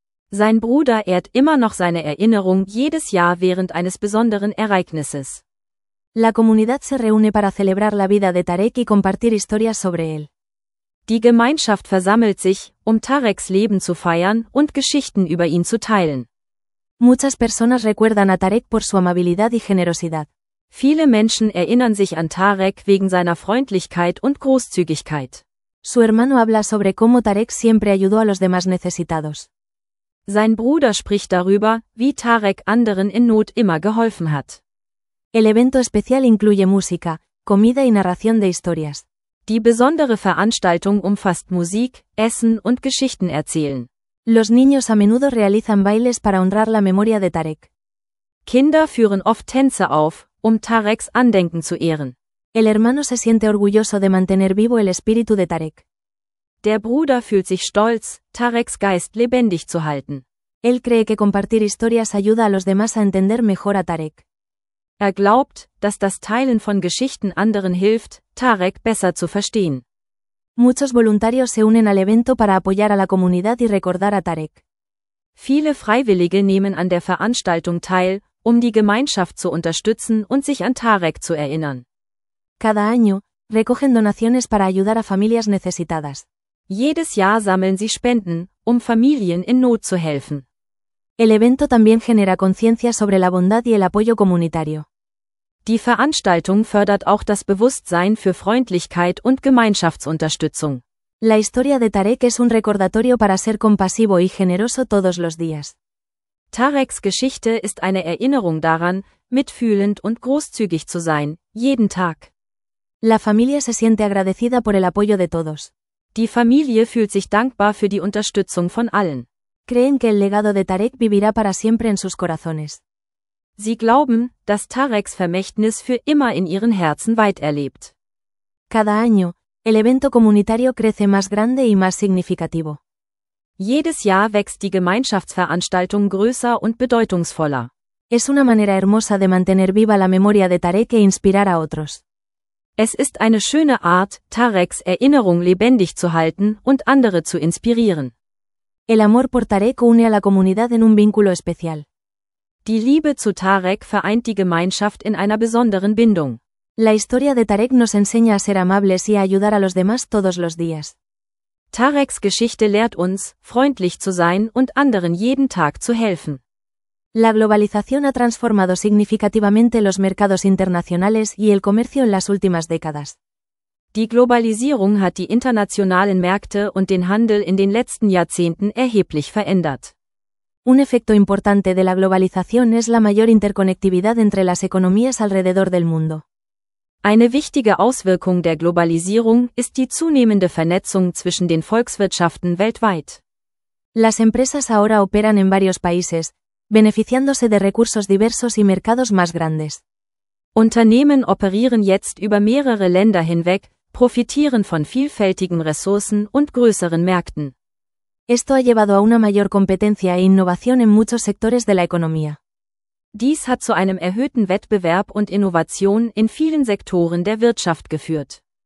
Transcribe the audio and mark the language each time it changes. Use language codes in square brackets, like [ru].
[de] Sein Bruder ehrt immer noch seine Erinnerung jedes Jahr während eines besonderen Ereignisses. [es] La comunidad se reúne para celebrar la vida de Tarek y compartir historias sobre él. [de] Die Gemeinschaft versammelt sich, um Tareks Leben zu feiern und Geschichten über ihn zu teilen. [es] Muchas personas recuerdan a Tarek por su amabilidad y generosidad. [de] Viele Menschen erinnern sich an Tarek wegen seiner Freundlichkeit und Großzügigkeit. [es] Su hermano habla sobre cómo Tarek siempre ayudó a los demás necesitados. [de] Sein Bruder spricht darüber, wie Tarek anderen in Not immer geholfen hat. [es] El evento especial incluye música, comida y narración de historias. [de] Die besondere Veranstaltung umfasst Musik, Essen und Geschichten erzählen. [es] Los niños a menudo realizan bailes para honrar la memoria de Tarek. [de] Kinder führen oft Tänze auf, um Tareks Andenken zu ehren. [es] El hermano se siente orgulloso de mantener vivo el espíritu de Tarek. [de] Der Bruder fühlt sich stolz, Tareks Geist lebendig zu halten. [es] Él cree que compartir historias ayuda a los demás a entender mejor a Tarek. [de] Er glaubt, dass das Teilen von Geschichten anderen hilft, Tarek besser zu verstehen. [es] Muchos voluntarios se unen al evento para apoyar a la comunidad y recordar a Tarek. [de] Viele Freiwillige nehmen an der Veranstaltung teil, um die Gemeinschaft zu unterstützen und sich an Tarek zu erinnern. [es] Cada año, recogen donaciones para ayudar a familias necesitadas. [de] Jedes Jahr sammeln sie Spenden, um Familien in Not zu helfen. [es] El evento también genera conciencia sobre la bondad y el apoyo comunitario. [de] Die Veranstaltung fördert auch das Bewusstsein für Freundlichkeit und Gemeinschaftsunterstützung. [es] La historia de Tarek es un recordatorio para ser compasivo y generoso todos los días. [de] Tareks Geschichte ist eine Erinnerung daran, mitfühlend und großzügig zu sein, jeden Tag. [es] La familia se siente agradecida por el apoyo de todos. [de] Die Familie fühlt sich dankbar für die Unterstützung von allen. [es] Creen que el legado de Tarek vivirá para siempre en sus corazones. [de] Sie glauben, dass Tareks Vermächtnis für immer in ihren Herzen weiterlebt. [es] Cada año, el evento comunitario crece más grande y más significativo. [de] Jedes Jahr wächst die Gemeinschaftsveranstaltung größer und bedeutungsvoller. [es] Es una manera hermosa de mantener viva la memoria de Tarek e inspirar a otros. [de] Es ist eine schöne Art, Tareks Erinnerung lebendig zu halten und andere zu inspirieren. [es] El amor por Tarek une a la comunidad en un vínculo especial. [de] Die Liebe zu Tarek vereint die Gemeinschaft in einer besonderen Bindung. [es] La historia de Tarek nos enseña a ser amables y a ayudar a los demás todos los días. [de] Tareks Geschichte lehrt uns, freundlich zu sein und anderen jeden Tag zu helfen. [es] La globalización ha transformado significativamente los mercados internacionales y el comercio en las últimas décadas. [de] Die Globalisierung hat die internationalen Märkte und den Handel in den letzten Jahrzehnten erheblich verändert. [es] Un efecto importante de la globalización es la mayor interconectividad entre las economías alrededor del mundo. [de] Eine wichtige Auswirkung der Globalisierung ist die zunehmende Vernetzung zwischen den Volkswirtschaften weltweit. [es] Las empresas ahora operan en varios países, beneficiándose de recursos diversos y mercados más grandes. [de] Unternehmen operieren jetzt über mehrere Länder hinweg, profitieren von vielfältigen Ressourcen und größeren Märkten. [es] Esto ha llevado a una mayor competencia e innovación en muchos sectores de la economía. [de] Dies hat zu einem erhöhten Wettbewerb und Innovation in vielen Sektoren der Wirtschaft geführt.